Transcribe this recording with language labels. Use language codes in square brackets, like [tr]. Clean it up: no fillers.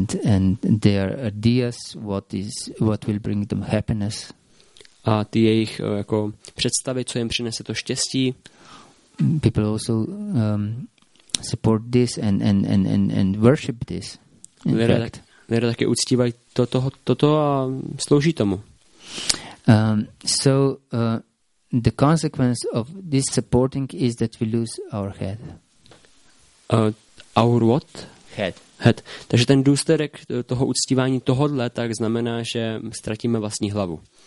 [en] And their ideas, what will bring them happiness. [cs] A ty jejich jako představy, co jim přinese to štěstí. [en] People also support this and worship this. [cs] Lidé taky uctívají toto a slouží tomu. [en] The consequence of this supporting is that we lose our head. Our what? Head. [cs] Takže ten důsledek toho uctívání tohodle tak znamená, že ztratíme vlastní hlavu.